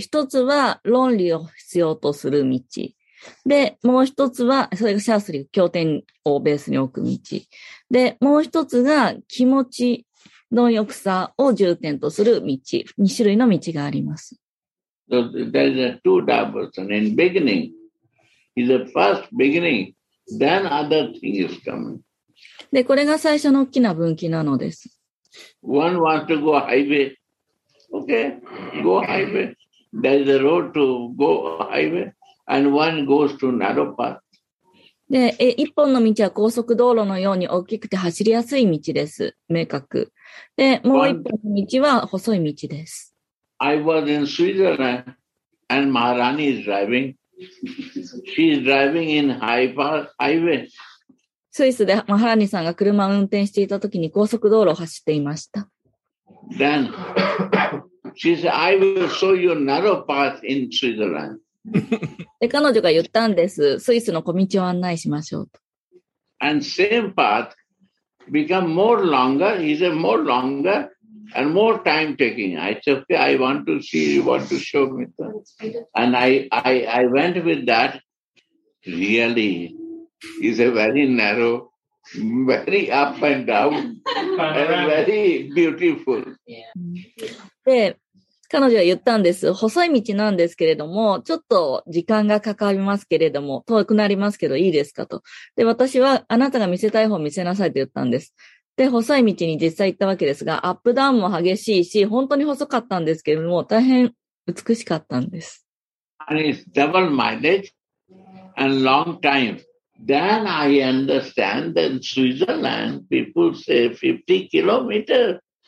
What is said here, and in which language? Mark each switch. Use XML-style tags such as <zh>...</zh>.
<ja>一つは論理を必要とする道。で、もう一つは、それがシャースリー、経典をベースに置く道。で、もう一つが気持ちの欲さを重点とする道。二種類の道があります。</ja> <en>So, there is a two doubles. And in beginning, is the first beginning, then other thing is coming.</en> <ja>で、これが最初の大きな分岐なのです。</ja> <en>One wants to go highway. Okay, go highway. There is a road to go highway. And one goes to narrow path.</en> <ja>で、一本の道は高速道路のように大きくて走りやすい道です。明確。で、もう一本の道は細い道です。</ja> <en>I was in Switzerland and Maharani is driving. She is driving in high path highway.</en> <ja>スイスでマハラニさんが車を運転していたときに高速道路を走っていました。</ja> <en>Then she said, I will show you narrow path in Switzerland.</en> <ja>で彼女が言ったんです。スイスの小道を案内しましょうと。</ja> <en>And same path become more longer. He said, more longer and more time taking. I said, okay, I want to see you want to show me. And I went with that. Really. Is a very narrow, very up and down, and very beautiful.</en> <ja>で、彼女は言ったんです。細い道なんですけれども、ちょっと時間がかかりますけれども、遠くなりますけどいいですかと。で、私はあなたが見せたい方を見せなさいと言ったんです。で、細い道に実際行ったわけですが、アップダウンも激しいし、本当に細かったんですけれども、大変美しかったんです。</ja> <en>And it's double mileage and long time. Then I understand that Switzerland people say 50 kilometers.</en>